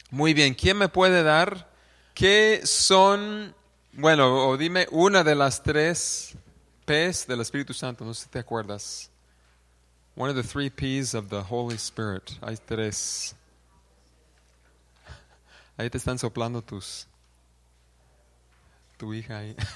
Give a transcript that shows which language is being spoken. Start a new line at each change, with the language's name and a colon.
Spanish: Muy bien, ¿quién me puede dar qué son, bueno, o dime una de las tres P's del Espíritu Santo, no sé si te acuerdas.
English: One of the three P's of the Holy Spirit.
Spanish: Hay tres. Ahí te están soplando tus, tu hija ahí.